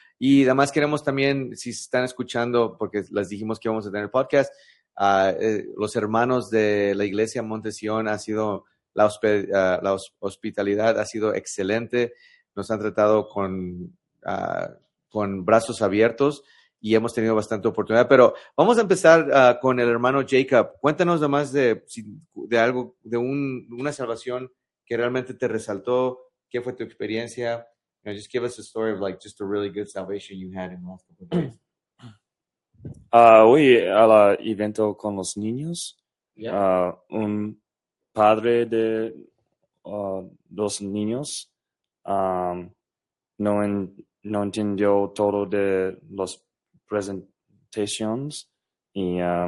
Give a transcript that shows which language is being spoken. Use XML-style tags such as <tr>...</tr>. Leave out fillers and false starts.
<es>Y además queremos también, si están escuchando, porque les dijimos que íbamos a tener podcast, los hermanos de la Iglesia Montesión, ha sido, la hospitalidad ha sido excelente. Nos han tratado con brazos abiertos. Y hemos tenido bastante oportunidad, pero vamos a empezar con el hermano Jacob. Cuéntanos nomás de una salvación que realmente te resaltó. ¿Qué fue tu experiencia?</es> <en>You know, just give us a story of like just a really good salvation you had in the last couple of days.</en> <es>Fui al evento con los niños. Yeah. Un padre de dos niños no entendió todo de los presentations y</es>